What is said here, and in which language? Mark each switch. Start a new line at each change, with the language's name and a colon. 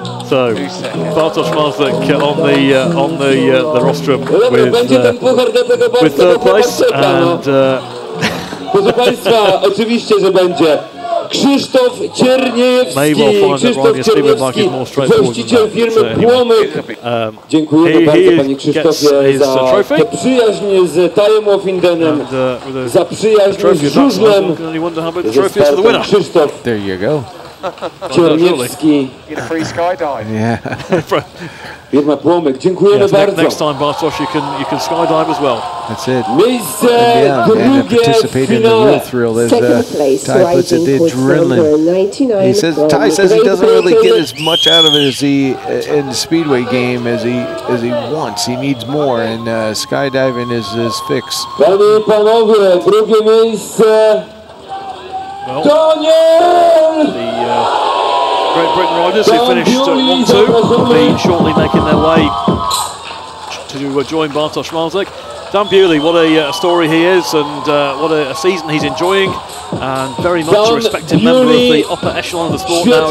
English: So, Bartosz Marzek on the rostrum with third place, and
Polish: proszę państwa, oczywiście, że będzie Krzysztof Cierniewski. Krzysztof Cierniewski, właściciel firmy Płomyk. Dziękujemy bardzo, panie Krzysztofie, za tę przyjaźń z Tajem Woffindenem, za przyjaźń z żużlem, ze spartą Krzysztof.
English: There you go.
Polish: Cierniewski.
English: Get a free skydive. Yeah.
Polish: Firma Płomyk, dziękujemy bardzo.
English: Next time, Bartosz, you can skydive as well. That's it.
Polish: Miejsce drugie w finale.
English: Second place, Ty puts it, the adrenaline. He says, Ty says he doesn't really get as much out of it as he in the speedway game as he wants. He needs more, and skydiving is his fix.
Polish: Panie i panowie, drugie miejsce.
English: Well, Daniel! Great Britain riders who finished 1-2 will be shortly making their way to join Bartosz Marzek. Dan Bewley, what a story he is, and what a season he's enjoying, and very much a respected member of the upper echelon of the sport now.